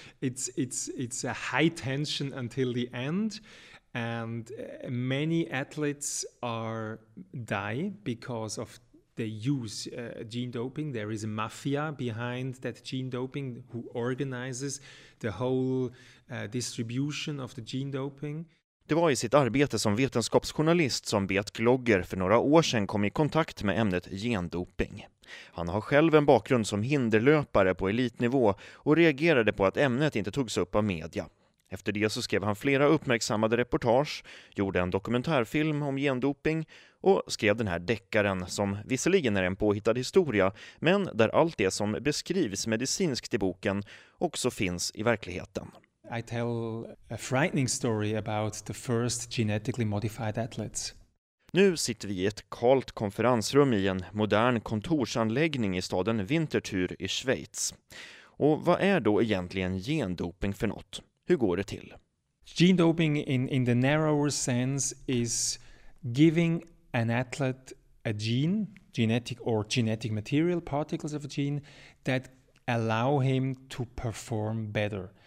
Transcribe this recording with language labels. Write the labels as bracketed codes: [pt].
[en] It's a high tension until the end, and many athletes die because of they use gene doping. There is a mafia behind that gene doping who organizes the whole distribution of the gene doping. [sv] Det var i sitt arbete som vetenskapsjournalist som Beat Glogger för några år sedan kom i kontakt med ämnet gendoping. Han har själv en bakgrund som hinderlöpare på elitnivå och reagerade på att ämnet inte togs upp av media. Efter det så skrev han flera uppmärksammade reportage, gjorde en dokumentärfilm om gendoping och skrev den här deckaren som visserligen är en påhittad historia men där allt det som beskrivs medicinskt i boken också finns i verkligheten. [en] I tell a frightening story about the first genetically modified athletes. [sv] Nu sitter vi i ett kallt konferensrum i en modern kontorsanläggning i staden Winterthur i Schweiz. Och vad är då egentligen gendoping för något? Hur går det till? [en] Gene doping in the narrower sense is giving an athlete a gene, genetic or genetic material, particles of a gene that allow him to perform better.